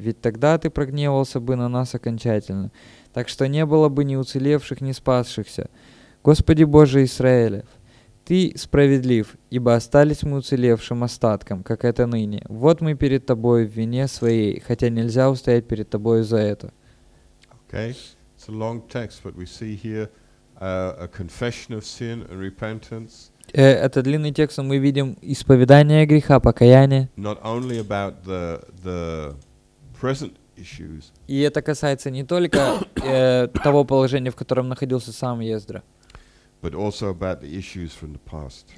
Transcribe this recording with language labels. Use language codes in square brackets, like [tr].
[ru] Ведь тогда Ты прогневался бы на нас окончательно, так что не было бы ни уцелевших, ни спасшихся. Господи Боже Израилев, Ты справедлив, ибо остались мы уцелевшим остатком, как это ныне. Вот мы перед Тобой в вине своей, хотя нельзя устоять перед Тобой за это». [en] Okay, it's a long text, but we see here a confession of sin and repentance. [ru] Это длинный текст, мы видим исповедание греха, покаяние. [en] Not only about the present issues. [ru] И это касается не только того положения, в котором находился сам Ездра. [en] But also about the issues from the past.